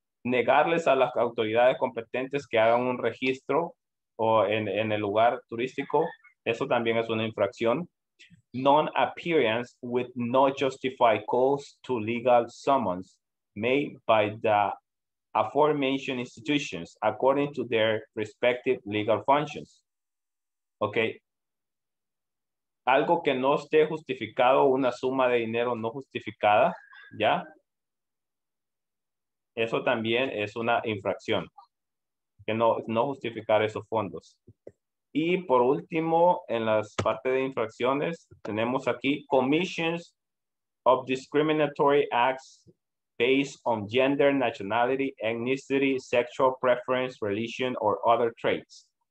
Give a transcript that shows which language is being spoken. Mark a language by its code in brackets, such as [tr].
[es] Negarles a las autoridades competentes que hagan un registro o en el lugar turístico. Eso también es una infracción. [en] Non-appearance with no justified cause to legal summons made by the aforementioned institutions according to their respective legal functions. Okay. [es] Algo que no esté justificado, una suma de dinero no justificada, ¿ya? Eso también es una infracción. Que no justificar esos fondos. Y por último, en las partes de infracciones, tenemos aquí [en] commissions of discriminatory acts based on gender, nationality, ethnicity, sexual preference, religion, or other traits.